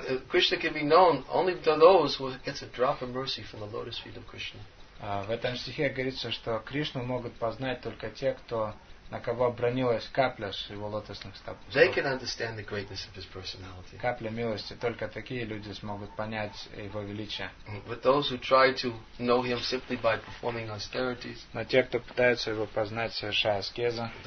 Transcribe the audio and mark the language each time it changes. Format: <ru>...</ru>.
<en>Кришна can be known only to those who gets a drop of mercy from the lotus feet of Krishna.</en> <ru>В этом стихе говорится, что Кришну могут познать только те, кто на кого обронилась капля с его лотосных стоп.</ru> <en>They can understand the greatness of his personality.</en> <ru>Капля милости, только такие люди смогут понять его величие.</ru> <en>But those who try to know him simply by performing austerities,</en> <ru>но те, кто пытаются его познать, совершая аскезу,</ru>